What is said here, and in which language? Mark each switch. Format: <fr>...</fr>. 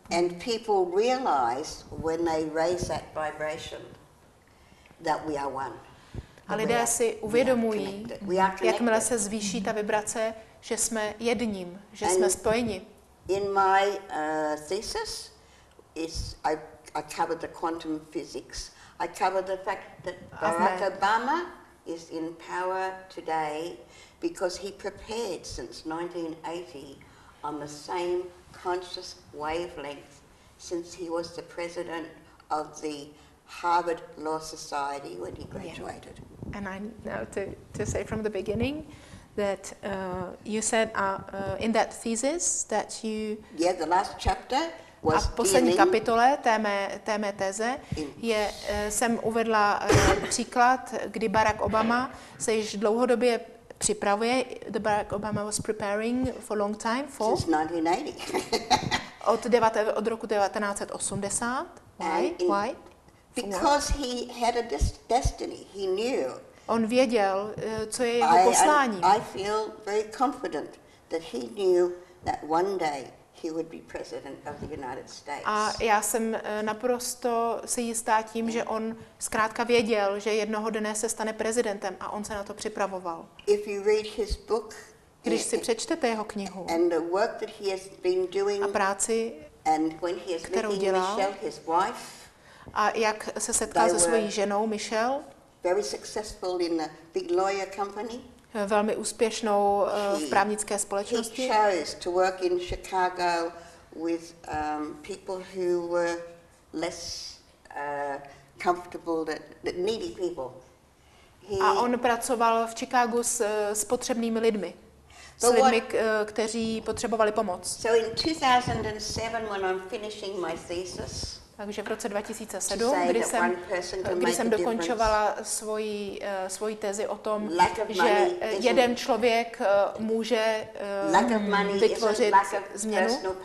<en>And people realize when they raise that vibration that we are one.</en> <cs>A lidé si uvědomují, jakmile se zvýší ta vibrace, že jsme jedním, že jsme spojeni.</cs> <en>In my thesis is I covered the quantum physics. I covered the fact that Barack Obama is in power today because he prepared since 1980 on the same conscious wavelength since he was the president of the Harvard Law Society when he graduated. Yeah. And I know to say from the beginning that you said in that thesis that you... Yeah, the last chapter.</en> <cs>A v poslední kapitole té mé teze jsem uvedla příklad, kdy Barack Obama se již dlouhodobě připravuje.</cs> <en>The Barack Obama was preparing for a long time for. Since 1980.</en> <cs>od roku 1980.</cs> <en>Why? Because he had a destiny. He knew.</en> <cs>On věděl, co je jeho poslání.</cs> <en>I feel very confident that he knew that one day. He would be president of the United States.</en> <cs>A já jsem naprosto si jistá tím, že on zkrátka věděl, že jednoho dne se stane prezidentem a on se na to připravoval.</cs> <en>If you read his book,</en> <cs>když si přečtete jeho knihu</cs> <en>and the work that he has been doing,</en> <cs>a práci,</cs> <en>and when he is</en> <cs>kterou dělal,</cs> <en>Michelle, his wife,</en> <cs>a jak se setkal se svojí ženou Michelle,</cs> <en>very successful in the big lawyer company.</en> <cs>Velmi úspěšnou v právnické společnosti.</cs> <en>He chose to work in Chicago with people who were less comfortable, that needy people.</en> <cs>A on pracoval v Chicagu s potřebnými lidmi. S lidmi, kteří potřebovali pomoc.</cs> <en>So in 2007, when I'm finishing my thesis,</en> <cs>Takže v roce 2007, kdy jsem dokončovala svoji tezi o tom, že jeden člověk může vytvořit změnu.</cs>